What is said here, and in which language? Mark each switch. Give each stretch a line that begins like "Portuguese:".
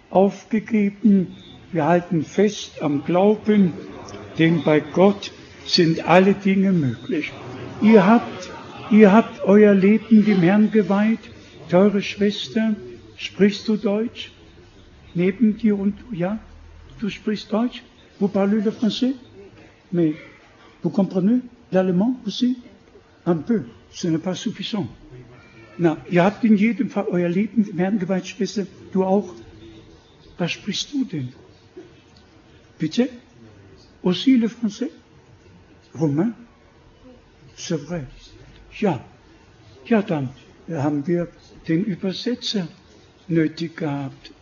German: aufgegeben. Wir halten fest am Glauben, denn bei Gott sind alle Dinge möglich. Ihr habt euer Leben dem Herrn geweiht. Teure Schwester, sprichst du Deutsch? Neben dir und du, ja? Du sprichst Deutsch?
French: Vous parlez le français? Mais vous comprenez l'allemand aussi? Un peu, ce n'est pas suffisant.
German: Na, ihr habt in jedem Fall euer Leben dem Herrn geweiht, Schwester, du auch. Was sprichst du denn? Bitte?
French: Aussi le français? Romain? C'est vrai.
German: Ja, dann haben wir den Übersetzer nötig gehabt.